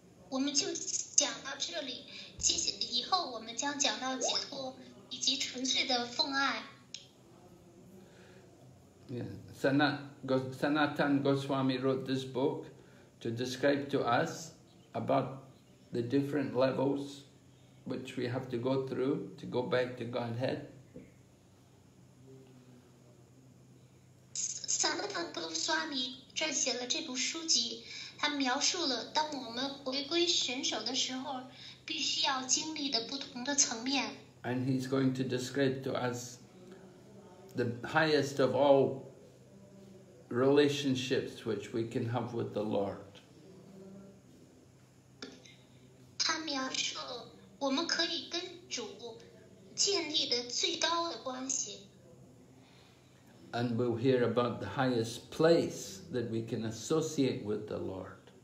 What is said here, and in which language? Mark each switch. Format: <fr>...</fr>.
<zh>我们就讲到这里，以后我们将讲到解脱以及纯粹的奉爱。</zh> <en>Sanatan Goswami wrote this book to describe to us about the different levels which we have to go through to go back to Godhead.</en> <zh>Swami 撰写了这部书籍，他描述了当我们回归神手的时候，必须要经历的不同的层面。</zh> <en>And he's going to describe to us the highest of all relationships which we can have with the Lord.</en> <zh>他描述我们可以跟主建立的最高的关系。</zh> <en>And we'll hear about the highest place that we can associate with the Lord.</en>